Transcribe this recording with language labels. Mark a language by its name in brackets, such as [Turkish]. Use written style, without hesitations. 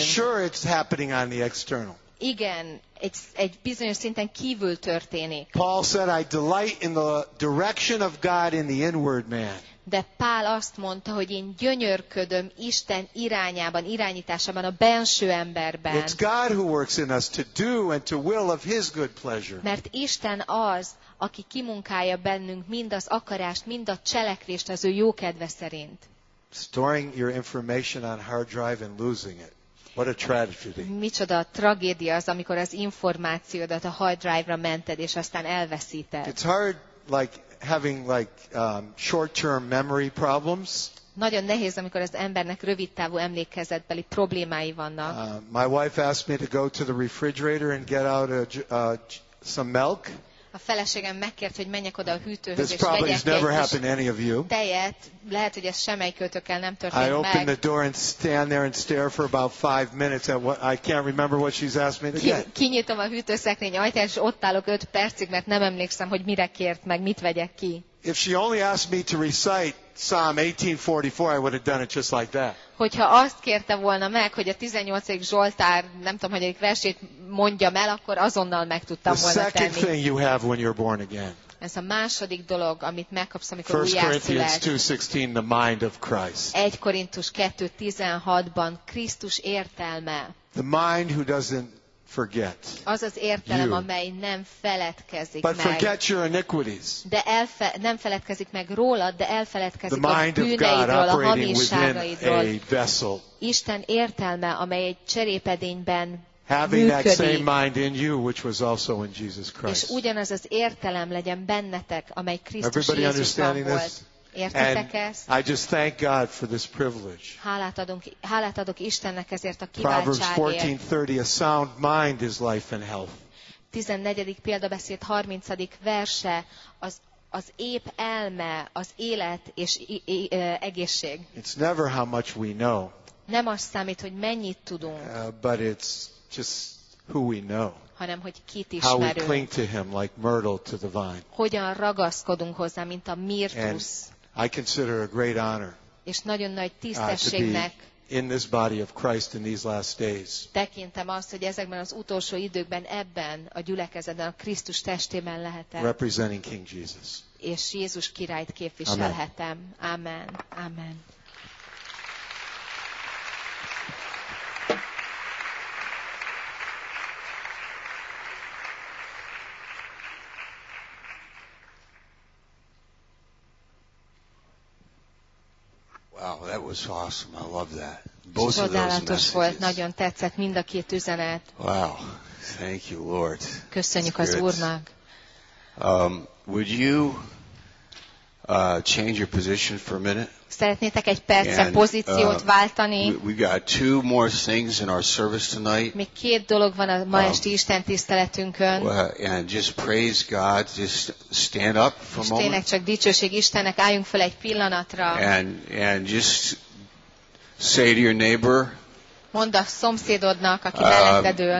[English] Sure, it's happening on the external. [Hungarian] Igen, egy bizonyos szinten kívül történik. [English] Paul said, I delight in the direction of God in the inward man. [Hungarian] De Pál azt mondta, hogy én gyönyörködöm Isten irányában, irányításában, a benső emberben. [English] It's God who works in us to do and to will of His good pleasure. [Hungarian] Mert Isten az, aki kimunkálja bennünk mind az akarást, mind a cselekvést az ő jó kedve szerint. [English] Storing your information on hard drive and losing it. What a tragedy. [Hungarian] Micsoda tragédia az, amikor az információdat a hard drive-ra mented, és aztán elveszíted. [English] It's hard, like having like short-term memory problems. [Hungarian] Nagyon nehéz, amikor az embernek rövidtávú emlékezetbeli problémái vannak. [English] My wife asked me to go to the refrigerator and get out some milk. [Hungarian] A feleségem megkért, hogy menjek oda a hűtőhöz, [English] this probably has never happened to any of you. [Hungarian] Tejet, lehet, hogy ez semmelyikőtökkel nem történt [English] I I open the door and stand there and stare for about 5 minutes at what I can't remember what she's asked me to get. [Hungarian] Kinyitom a hűtőszekrény ajtaját, és ott állok 5 percig, mert nem emlékszem, hogy mire kért meg, mit vegyek ki. [English] If she only asked me to recite Psalm 18:44, I would have done it just like that. [Hungarian] Hogyha azt kérte volna meg, hogy a 18. Zsoltár, nem tudom, hogy egyik versét mondjam el, akkor azonnal meg tudtam volna tenni. [English] The second thing you have when you're born again. [Hungarian] Ez a második dolog, amit megkapsz, amikor újjászülsz. [English] 1 Corinthians 2:16, the mind of Christ. [Hungarian] 1 Korintus 2:16-ban Krisztus értelme. [English] The mind who doesn't forget. [Hungarian] Az az értelem, amely nem feledkezik [English] but [Hungarian] meg. [English] Forget your iniquities. [Hungarian] De nem feledkezik meg rólad, de elfeledkezik a bűneidről, a hamisságaidról. Isten értelme, amely egy cserépedényben [English] having [Hungarian] működik. [English] That same mind in you, which was also in Jesus Christ. [Hungarian] És ugyanaz az értelem legyen bennetek, amely Krisztus [English] everybody [Hungarian] Jézusban [English] understanding [Hungarian] volt. [English] This? And I just thank God for this privilege. [Hungarian] Hálát adok Istennek ezért a kiváltságért. [English] Proverbs 14:30, a sound mind is life and health. [Hungarian] 14. példabeszéd 30. verse, az épp elme, az élet és egészség. [English] It's never how much we know. [Hungarian] Nem az számít, hogy mennyit tudunk. [English] But it's just who we know. [Hungarian] Hanem, hogy kit ismerünk. [English] How we cling to him like myrtle to the vine. [Hungarian] Hogyan ragaszkodunk hozzá, mint a mirtusz. [English] I consider it a great honor. [Hungarian] És nagyon nagy tisztességnek. [English] In this body of Christ in these last days. [Hungarian] Tekintem azt, hogy ezekben az utolsó időkben ebben a gyülekezetben a Krisztus testében lehetek. [English] Representing King Jesus. [Hungarian] És Jézus királyt képviselhetem. [English] Amen. Amen. That was awesome. I love that. Both of those messages. [Hungarian] Volt, nagyon tetszett mind a két üzenet. [English] Wow. Thank you, Lord. [Hungarian] Köszönjük az Úrnak. [English] Would you change your position for a minute? [Hungarian] Szeretnétek egy percre pozíciót váltani? [English] We got two more things in our service tonight. [Hungarian] Még két dolog van a ma esti Isten tiszteletünkön. [English] And just praise God. Just stand up for a moment. [Hungarian] Tényleg csak dicsőség Istennek, álljunk fel egy pillanatra. [English] And just say to your neighbor. [Hungarian] Mondd a szomszédodnak, aki melletted ül.